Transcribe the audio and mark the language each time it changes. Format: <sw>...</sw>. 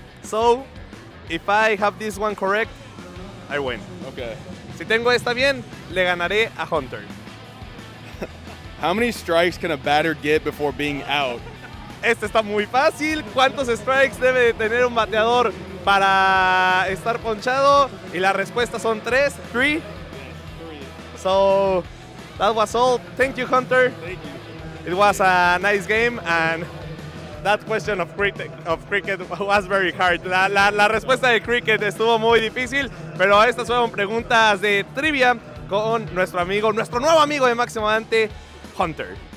<en>So, if I have this one correct, I win. Okay.</en> <es>Si tengo esta bien, le ganaré a Hunter.</es> <en>How many strikes can a batter get before being out?</en> <es>Este está muy fácil. ¿Cuántos strikes debe tener un bateador para estar ponchado? Y la respuesta son tres.</es> <en>Three. So, that was all. Thank you, Hunter. Thank you. It was a nice game, and that question of cricket was very hard.</en> <es>La respuesta de cricket estuvo muy difícil, pero estas fueron preguntas de trivia con nuestro amigo, nuestro nuevo amigo de Máximo Dante, Hunter.</es>